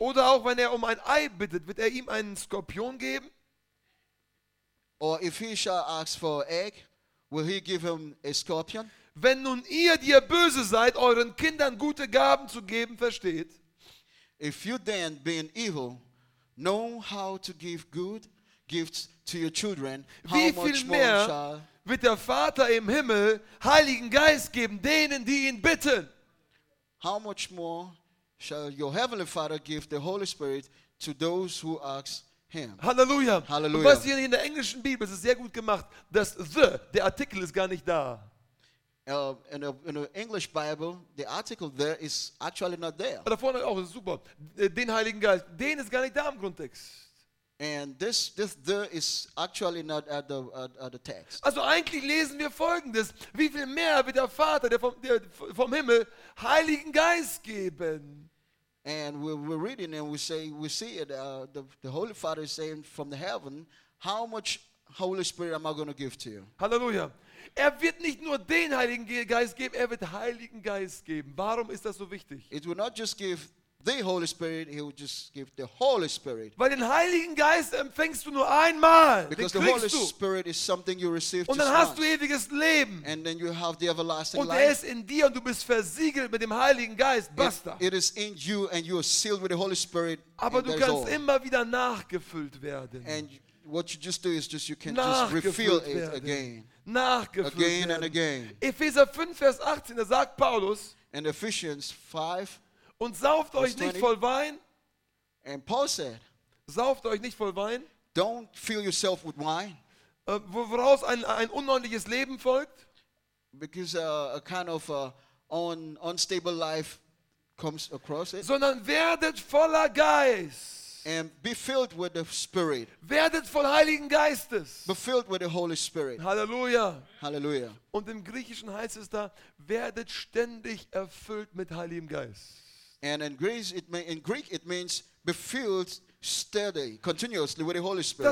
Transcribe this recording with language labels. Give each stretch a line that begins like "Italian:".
German: Oder auch wenn er um ein Ei bittet, wird er ihm einen Skorpion geben?
English: Or if he shall ask for an egg, will he give him a scorpion?
German: Wenn nun ihr, die ihr böse seid, euren Kindern gute Gaben zu geben versteht,
English: if you then, being evil, know how to give good gifts to your children,
German: wie viel mehr wird der Vater im Himmel Heiligen Geist geben denen, die ihn bitten?
English: How much more shall your heavenly Father give the Holy Spirit to those who ask him? Halleluja. Halleluja.
German: Du weißt, in der englischen Bibel ist es sehr gut gemacht, dass der Artikel ist gar nicht da.
English: In the English Bible, the article there is actually not there.
German: Da vorne auch, ist super. Den Heiligen Geist, den ist gar nicht da im Grundtext.
English: And this there is actually not at the text.
German: Also eigentlich lesen wir Folgendes: Wie viel mehr wird der Vater, der vom Himmel Heiligen Geist geben?
English: And we're reading and we see it. The Holy Father is saying from the heaven, how much Holy Spirit am I going to give to you? Hallelujah.
German: Er wird nicht nur den Heiligen Geist geben, er wird Heiligen Geist geben. Warum ist das so wichtig?
English: It will not just give the Holy Spirit, he will just give the Holy Spirit.
German: Weil den Heiligen Geist empfängst du nur einmal.
English: Because the Holy Spirit is something you receive.
German: Und dann hast du ewiges Leben.
English: And then you have the everlasting life.
German: Und er ist in dir und du bist versiegelt mit dem Heiligen Geist. Basta.
English: It is in you and you are sealed with the Holy Spirit.
German: Aber du kannst immer wieder nachgefüllt werden.
English: And what you just do is just you can just refill it again. Again and again.
German: Epheser 5, Vers 18, da sagt Paulus,
English: in Ephesians 5,
German: und sauft euch nicht voll Wein.
English: And Paul said,
German: sauft euch nicht voll Wein.
English: Don't fill yourself with wine.
German: Woraus ein unordentliches Leben folgt.
English: Because a kind of unstable life comes across it.
German: Sondern werdet voller Geist.
English: And be filled with the Spirit.
German: Werdet voll Heiligen Geistes.
English: Be filled with the Holy Spirit. Halleluja. Halleluja.
German: Und im Griechischen heißt es da, werdet ständig erfüllt mit Heiligem Geist.
English: And in Greek it means be filled steady, continuously with the Holy Spirit.